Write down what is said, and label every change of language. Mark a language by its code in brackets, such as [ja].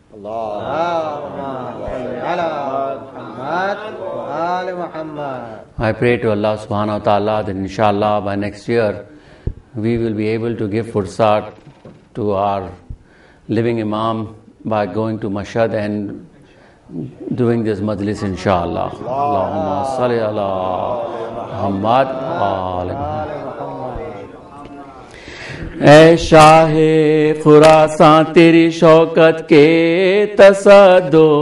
[ar] اللهم صل على محمد وعلى محمد. [en] I pray to Allah subhanahu wa ta'ala that inshallah by next year we will be able to give fursat to our living imam by going to mashhad and doing this majlis inshallah. [ar] اللهم صل على محمد وعلى محمد. [ur] اے شاہ خراسان تیری شوکت کے تصدق,